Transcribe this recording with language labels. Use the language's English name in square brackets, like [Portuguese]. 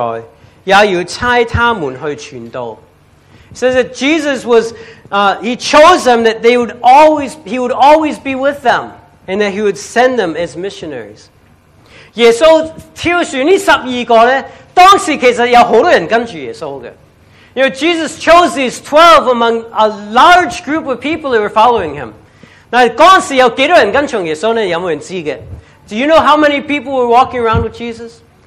[Chinese] 他就设立十二个人，要他们常和自己同在，也要差他们去传道。 [English] Says that Jesus was he chose them that they would always he would always be with them, and that he would send them as missionaries. [Chinese] 耶稣挑选这十二个呢, 当时其实有很多人跟着耶稣的。 [English] You know, Jesus chose these 12 among a large group of people who were following him. [Chinese] 那当时有多少人跟从耶稣呢? 有没有人知道的? [English] Do you know how many people were walking around with Jesus?